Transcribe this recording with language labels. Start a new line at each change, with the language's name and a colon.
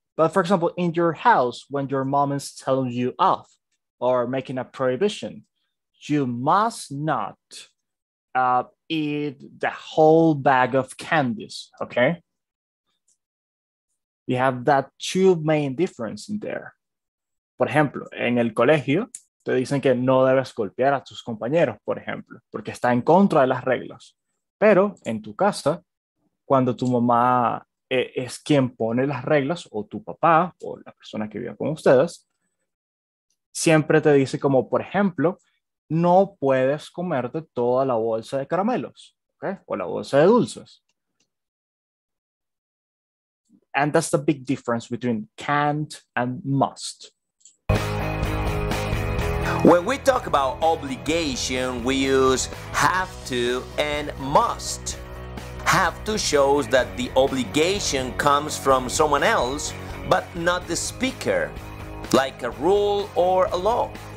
English: But for example, in your house, when your mom is telling you off or making a prohibition, you must not eat the whole bag of candies, okay? You have that two main difference in there.
Spanish: Por ejemplo, en el colegio, te dicen que no debes golpear a tus compañeros, por ejemplo, porque está en contra de las reglas. Pero en tu casa, cuando tu mamá es quien pone las reglas, o tu papá, o la persona que vive con ustedes, siempre te dice como, por ejemplo, no puedes comerte toda la bolsa de caramelos, ¿okay? O la bolsa de dulces.
English: And that's the big difference between can't and must. When we talk about obligation, we use have to and must. Have to shows that the obligation comes from someone else, but not the speaker, like a rule or a law.